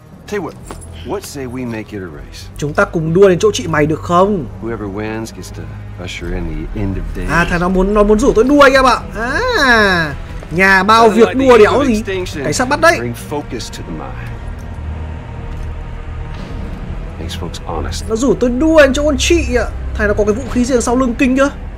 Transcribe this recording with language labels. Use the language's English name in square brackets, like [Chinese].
[English] Tell you what say we make it a race? [Vietnamese] Chúng ta cùng đua đến chỗ chị mày được không? [English] Whoever wins gets to usher in the end of day. [Vietnamese] À, thằng nó muốn rủ tôi đua anh em ạ. À, nhà bao việc đua đéo gì. Cái sắp bắt đấy. Nó rủ tôi đua đến chỗ con chị ạ. Thằng nó có cái vũ khí riêng sau lưng kinh chưa?